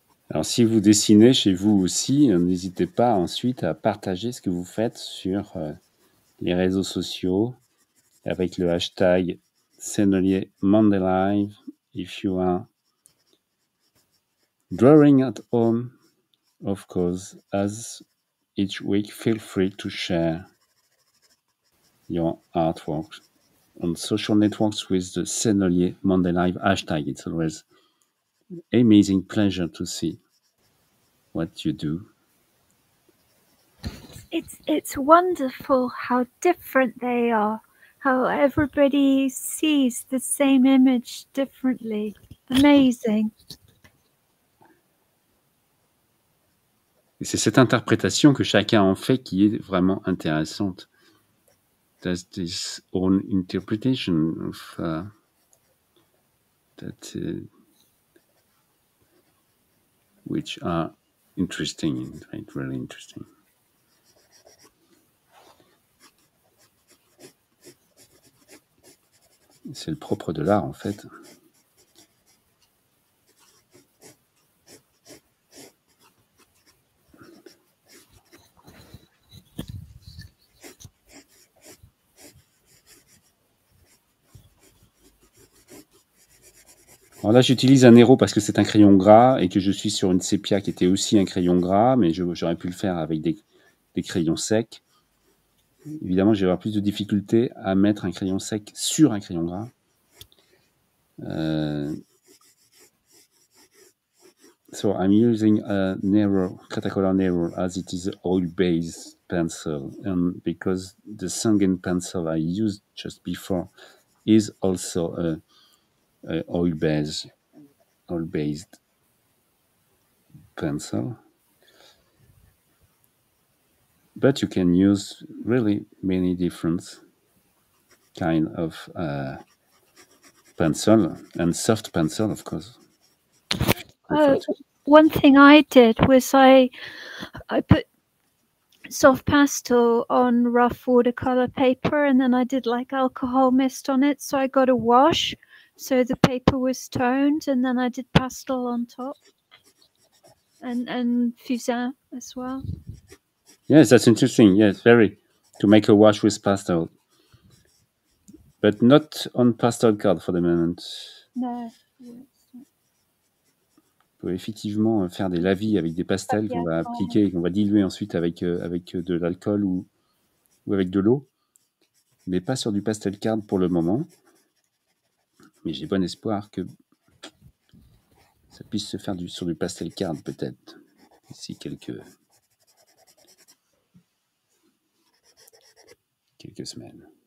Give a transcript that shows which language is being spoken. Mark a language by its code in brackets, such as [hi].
[fr] Alors, si vous dessinez chez vous aussi, n'hésitez pas ensuite à partager ce que vous faites sur les réseaux sociaux avec le hashtag Sennelier Monday Live. [en] If you are drawing at home, of course, as each week, feel free to share your artwork on social networks with the Sennelier Monday Live hashtag. It's always amazing pleasure to see what you do. It's wonderful how different they are, how everybody sees the same image differently. Amazing. [fr] Et c'est cette interprétation que chacun en fait qui est vraiment intéressante. [en] That's this own interpretation of that which are interesting, right? Really interesting. [fr] C'est le propre de l'art, en fait. Alors là, j'utilise un Nero parce que c'est un crayon gras et que je suis sur une sépia qui était aussi un crayon gras, mais j'aurais pu le faire avec des crayons secs. Évidemment, j'ai avoir plus de difficultés à mettre un crayon sec sur un crayon gras. [en] So I'm using a Nero, Krataka Nero, as it is an oil-based pencil, and because the Sangen pencil I used just before is also a oil-based pencil, but you can use really many different kind of pencil and soft pencil, of course. One thing I did was I put soft pastel on rough watercolor paper, and then I did like alcohol mist on it, so I got a wash. So the paper was toned, and then I did pastel on top, and fusain as well. Yes, that's interesting. Yes, very. To make a wash with pastel. But not on pastel card for the moment. No. [fr] On peut effectivement faire des lavis avec des pastels qu'on va appliquer, qu'on va diluer ensuite avec de l'alcool ou avec de l'eau, mais pas sur du pastel card pour le moment. Mais j'ai bon espoir que ça puisse se faire sur du pastel card, peut-être, d'ici quelques semaines.